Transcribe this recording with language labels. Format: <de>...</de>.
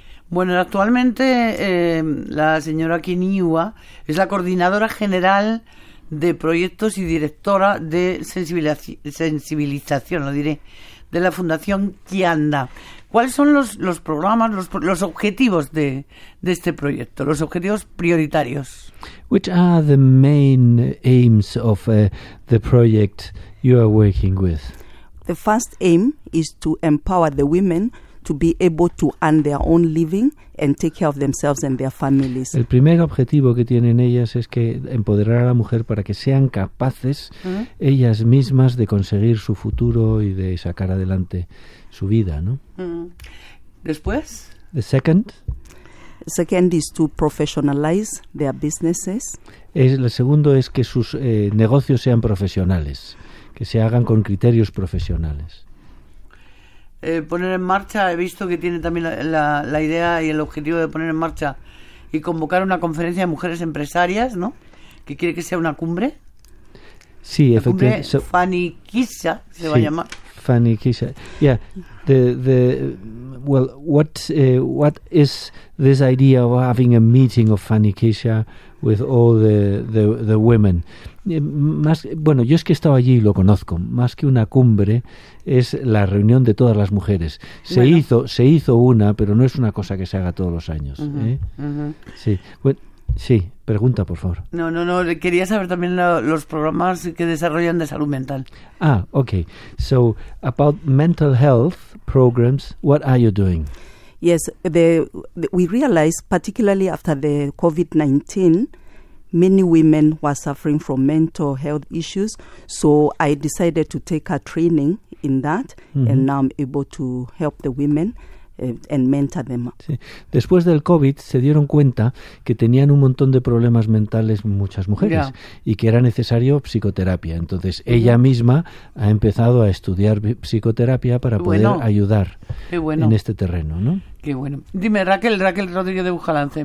<es>Bueno, actualmente la señora Kinyua es la coordinadora general de proyectos y directora de sensibilización, lo diré, de la Fundación Kenyanda. ¿Cuáles son los programas, los objetivos de este proyecto, los objetivos prioritarios?</es> <en>Which are the main aims of the project you are working with? The first aim is to empower the women to be able to earn their own living and take care of themselves and their families.</en> <es>El primer objetivo que tienen ellas es que empoderar a la mujer para que sean capaces ellas mismas de conseguir su futuro y de sacar adelante su vida, ¿no? Después,</es> <en>the second is to professionalize their businesses.</en> <es>El segundo es que sus negocios sean profesionales, que se hagan con criterios profesionales. Poner en marcha, he visto que tiene también la idea y el objetivo de poner en marcha y convocar una conferencia de mujeres empresarias, ¿no? Que quiere que sea una cumbre. Sí, la efectivamente. Cumbre Faniquisa se va a llamar.</es> <en>Faniquisa, yeah. What is this idea of having a meeting of Faniquisa with all the women?</en> <es>Yo es que he estado allí y lo conozco. Más que una cumbre, es la reunión de todas las mujeres. Se hizo una, pero no es una cosa que se haga todos los años. Sí. Sí, pregunta, por favor. No, quería saber también los programas que desarrollan de salud mental.</es> <en>Ah, okay. So, about mental health programs, what are you doing? Yes, we realized, particularly after the COVID-19, many women were suffering from mental health issues, so I decided to take a training in that, and now I'm able to help the women and mentor them.</en> <es>Sí. Después del COVID se dieron cuenta que tenían un montón de problemas mentales muchas mujeres y que era necesario psicoterapia. Entonces ella misma ha empezado a estudiar psicoterapia para poder ayudar en este terreno, ¿no? Qué bueno. Dime, Raquel Rodríguez de Bujalance,</es>